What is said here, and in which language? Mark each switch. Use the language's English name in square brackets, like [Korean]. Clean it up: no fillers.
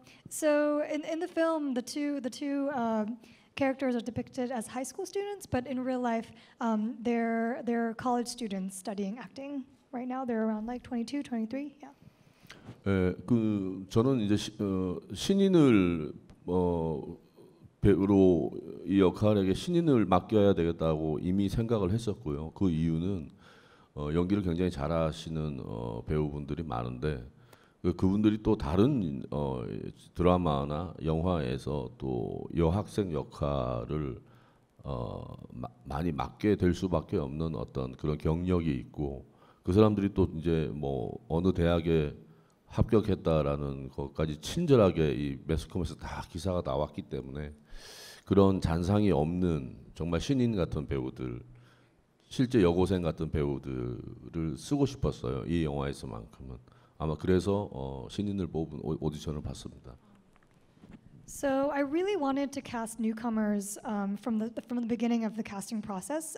[English] So in the film, the two characters are depicted as high school students, but in real life, they're college students studying acting right now. They're around like 22, 23. Yeah. [Korean] 네, 그 저는 이제 신인을 배우로 이 역할에게 신인을 맡겨야 되겠다고 이미 생각을 했었고요. 그 이유는 연기를 굉장히 잘하시는 배우분들이 많은데. 그분들이 또 다른 드라마나 영화에서 또 여학생 역할을 많이 맡게 될 수밖에 없는 어떤 그런 경력이 있고 그 사람들이 또 이제 뭐 어느 대학에 합격했다라는 것까지 친절하게 이 매스컴에서 다 기사가 나왔기 때문에 그런 잔상이 없는 정말 신인 같은 배우들 실제 여고생 같은 배우들을 쓰고 싶었어요. 이 영화에서만큼은. 아마 그래서 신인을 뽑은 오디션을 봤습니다. [English] So I really wanted to cast newcomers from the beginning of the casting process.